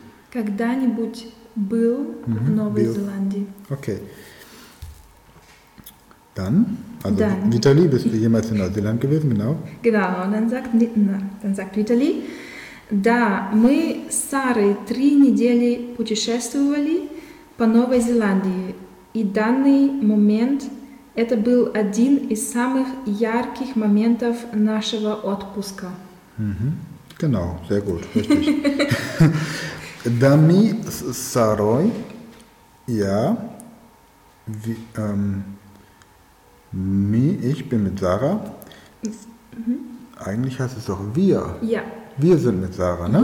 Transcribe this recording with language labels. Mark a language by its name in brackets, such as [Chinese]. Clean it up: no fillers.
[Russian] Когда-нибудь был в Новой Зеландии. [English] Okay. [German] Dann, also dann. Vitali, bist du jemals in Neuseeland gewesen, genau? Genau, und dann sagt Vitali, [Russian] да, мы с Сарой 3 недели путешествовали по Новой Зеландии, и данный момент это был один из самых ярких моментов нашего отпуска. [German] Genau, sehr gut, richtig. [Russian] Да, мы с Сарой, [German] ja, wie, me, ich bin mit Sarah. Mhm. Eigentlich heißt es doch wir. Ja. Wir sind mit Sarah, ne?